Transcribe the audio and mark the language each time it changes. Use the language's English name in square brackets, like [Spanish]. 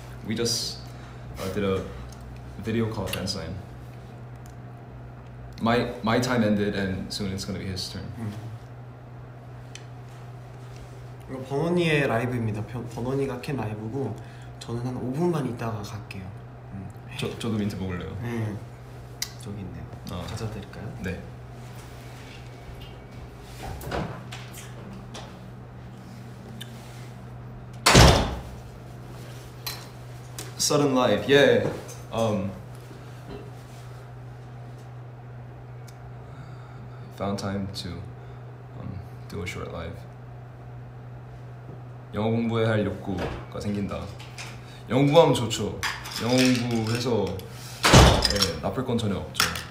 [English] We just did a video call Fansign. My time ended and soon it's gonna be his turn. [Korean] 이거 번원이의 라이브입니다. 번원이가 캔 라이브고 저는 한 5분만 있다가 갈게요. 저도 민트 먹을래요. 저기 있네요. 아. 가져드릴까요? 네. 서든 라이브, 예. [English] found time to do a short live. [Korean] 영어 공부해야 할 욕구가 생긴다. 영어 공부하면 좋죠. 영어 공부해서 네, 나쁠 건 전혀 없죠.